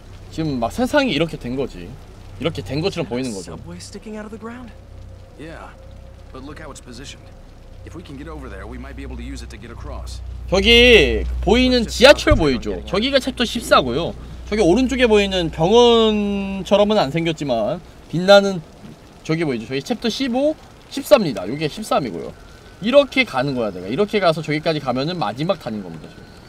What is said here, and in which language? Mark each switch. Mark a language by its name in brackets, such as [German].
[Korean] 지금 막 세상이 이렇게 된 거지. 이렇게 된 것처럼 보이는 거죠. [English] Subway sticking out of the ground? Yeah. But look how it's positioned. If we can get over there, we might be able to use it to get across. [Korean] 저기 보이는 지하철 보이죠? 저기가 챕터 14고요. 저기 오른쪽에 보이는 병원처럼은 안 생겼지만 빛나는 저기 보이죠? 저기 챕터 15, 14입니다. 요게 13이고요. 이렇게 가는 거야, 내가. 이렇게 가서 저기까지 가면은 마지막 가는 겁니다, 저.